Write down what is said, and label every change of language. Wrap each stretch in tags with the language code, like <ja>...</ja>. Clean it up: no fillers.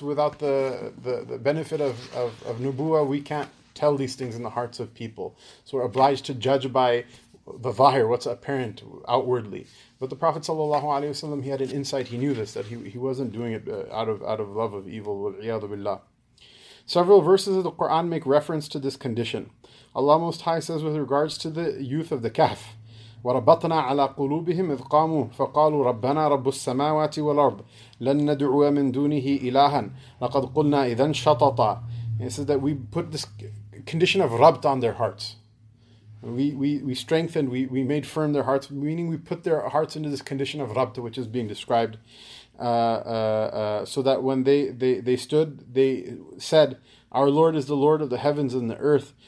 <en>Without the benefit of Nubuwa, we can't tell these things in the hearts of people. So we're obliged to judge by the vahir, what's apparent outwardly. But the Prophet sallallahu alaihi wasallam, he had an insight. He knew this, that he wasn't doing it out of love of evil. Wal-iyadu billah. Several verses of the Quran make reference to this condition. Allah Most High says with regards to the youth of the Kahf,</en> <ar>وَرَبَطْنَا عَلَىٰ قُلُوبِهِمْ إِذْ قَامُوا فَقَالُوا رَبَّنَا رَبُّ السَّمَاوَاتِ وَالْأَرْضِ لَن نَدْعُوَ مِن دُونِهِ إِلَٰهًا لَقَدْ قُلْنَا إِذًا شَطَطَا.</ar> <en>It says that we put this condition of rabt on their hearts. We strengthened, we made firm their hearts, meaning we put their hearts into this condition of rabt, which is being described, so that when they stood, they said, our Lord is the Lord of the heavens and the earth.</en>